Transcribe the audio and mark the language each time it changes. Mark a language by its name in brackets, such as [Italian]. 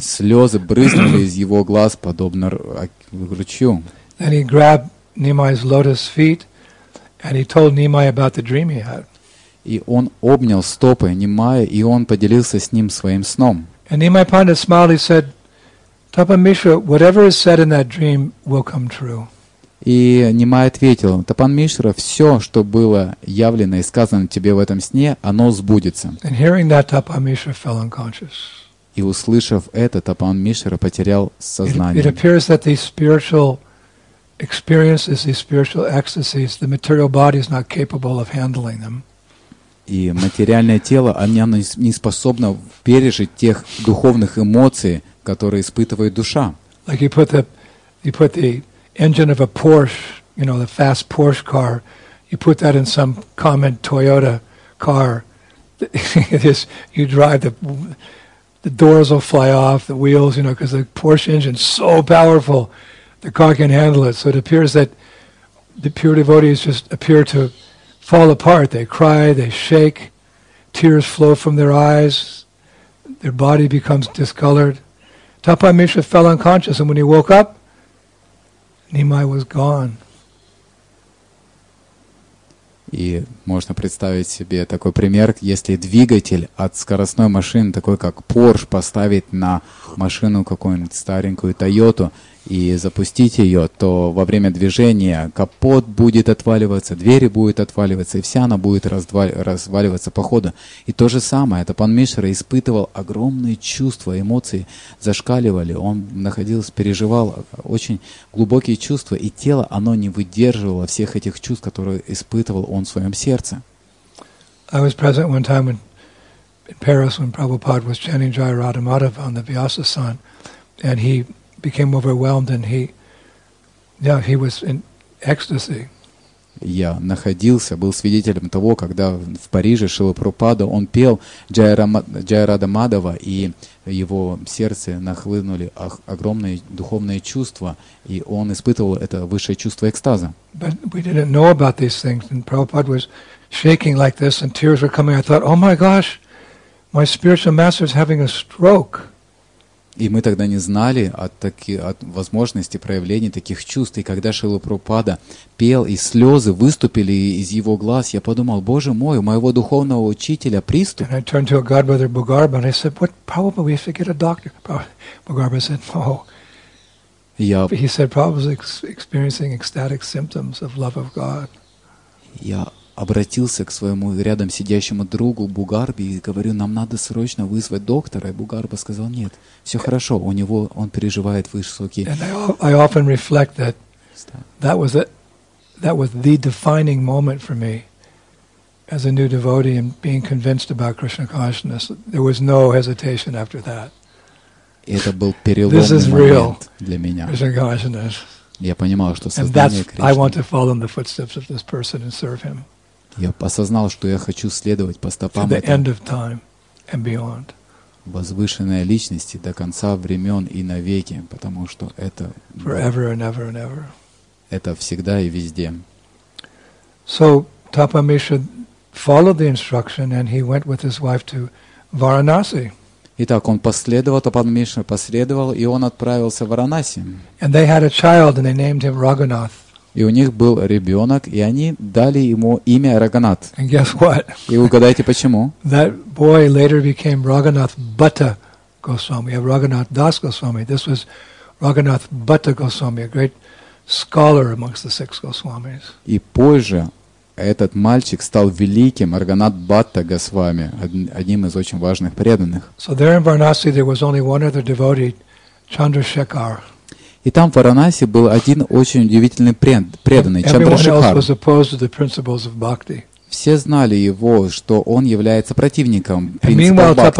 [Russian] Слезы брызнули из его глаз, подобно ручью. [English] Then he grabbed Nimai's lotus feet. And he told Nimai about the dream he had. [Russian] И он обнял стопы Нимая, и он поделился с ним своим сном. [English] And Nimai Panda smiled. He said, "Tapan Mishra, whatever is said in that dream will come true." [Russian] И Нимай ответил, "Тапан Мишра, все, что было явлено и сказано тебе в этом сне, оно сбудется." [English] And hearing that, Tapan Mishra fell unconscious. [Russian] И услышав это, Тапан Мишра потерял сознание. [English] It appears that the spiritual experiences these spiritual ecstasies, the material body is not capable of handling them. [Russian] И материальное тело, оно не способно пережить тех духовных эмоций, которые испытывает душа. [English] Like you put the engine of a Porsche, you know, the fast Porsche car, you put that in some common Toyota car, you drive, the doors will fly off, the wheels, you know, because the Porsche engine is so powerful. The car can handle it, so it appears that the pure devotees just appear to fall apart. They cry, they shake, tears flow from their eyes, their body becomes discolored. Tapan Mishra fell unconscious, and when he woke up, Nimai was gone. [Russian] И можно представить себе такой пример, если двигатель от скоростной машины, такой как Porsche, поставить на машину какую-нибудь старенькую Toyota и запустить ее, то во время движения капот будет отваливаться, двери будут отваливаться, и вся она будет разваливаться по ходу. И то же самое, Тапан Мишра испытывал огромные чувства, эмоции зашкаливали, он находился, переживал очень глубокие чувства, и тело, оно не выдерживало всех этих чувств, которые испытывал он в своем сердце. [English] I was present one time in Paris when Prabhupada was chanting Jaya Radha Madhava on the Vyasa San, and he became overwhelmed, and he was in ecstasy. [Russian] Я находился, был свидетелем того, когда в Париже Шрила Прабхупада, он пел Джая Радха Мадхава, и его сердце нахлынули огромные духовные чувства, и он испытывал это высшее чувство экстаза. [English] But we didn't know about these things, and Prabhupada was shaking like this, and tears were coming. I thought, oh my gosh, my spiritual master is having a stroke. [Russian] И мы тогда не знали от возможности проявления таких чувств. И когда Шрила Прабхупада пел, и слезы выступили из его глаз, я подумал, Боже мой, у моего духовного учителя приступ. [English] And I turned to a godbrother Bhagarbha, and I said, what, Prabhupada, we have to get a doctor. Bhagarbha said, no. He said, Prabhupada was experiencing ecstatic symptoms of love of God. [Russian] Обратился к своему рядом сидящему другу Бугарби и говорю, нам надо срочно вызвать доктора. И Бугарба сказал, нет, все хорошо, у него он переживает высокие. [English] And I often reflect that that was the defining moment for me as a new devotee and being convinced about Krishna consciousness. There was no hesitation after that. [Russian] Это был переломный момент для меня. [English] Krishna consciousness. [Russian] Я понимал, что сознание Кришны. [English] I want to follow in the footsteps of this person and serve him. [Russian] Я осознал, что я хочу следовать по стопам этого возвышенной личности до конца времен и навеки, потому что это [English] forever and ever and ever. [Russian] Это всегда и везде. [English] So Tapa Mishra followed the instruction and he went with his wife to Varanasi. [Russian] Итак, он последовал, Тапа Мишра последовал, и он отправился в Варанаси. [English] And they had a child and they named him Raghunath. [Russian] И у них был ребенок, и они дали ему имя Рагханат. [English] And guess what? [Russian] И угадайте, почему? [English] That boy later became Raghunath Bhatta Goswami, a Raghunath Das Goswami. This was Raghunath Bhatta Goswami, a great scholar amongst the six Goswamis. [Russian] И позже этот мальчик стал великим Раганат Бхатта Госвами, одним из очень важных преданных. [English] So there in Varanasi there was only one other devotee, Chandrasekhar. [Russian] И там, в Варанаси, был один очень удивительный преданный, Чандрашекхар. Все знали его, что он является противником принципов